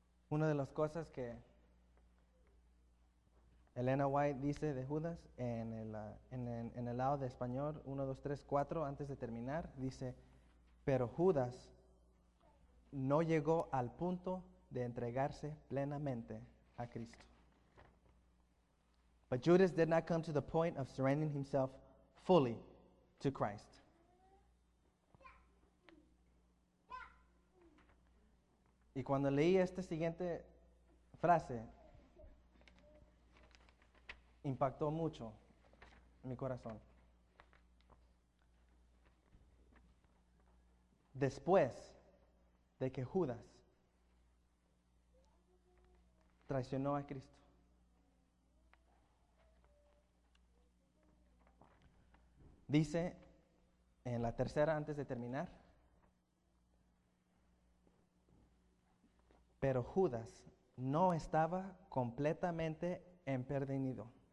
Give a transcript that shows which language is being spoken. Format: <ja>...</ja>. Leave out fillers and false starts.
<es>Una de las cosas que Elena White dice de Judas en el lado de español 1, 2, 3, 4, antes de terminar, dice: pero Judas no llegó al punto de entregarse plenamente a Cristo.</es> <en>But Judas did not come to the point of surrendering himself fully to Christ.</en> <es>Y cuando leí esta siguiente frase, impactó mucho mi corazón. Después de que Judas traicionó a Cristo, dice en la tercera, antes de terminar, pero Judas no estaba completamente emperdenido.</es>